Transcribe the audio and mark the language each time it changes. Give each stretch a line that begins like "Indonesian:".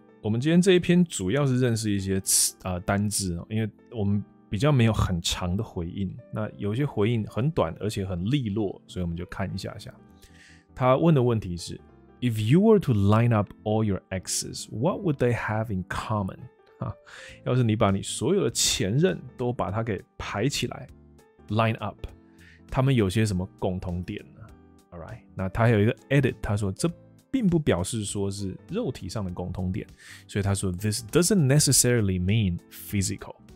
Chinese: 我们今天这一篇主要是认识一些单字，因为我们比较没有很长的回应，那有些回应很短而且很利落，所以我们就看一下下。他问的问题是
English: If you were to line up all your exes, what would they have in common?
Chinese: 要是你把你所有的前任都把它给排起来 line up， 他们有些什么共同点呢？ Alright， 那他还有一个 edit， 他说这并不表示说是肉体上的共同点，所以他说
English: this doesn't necessarily mean physical。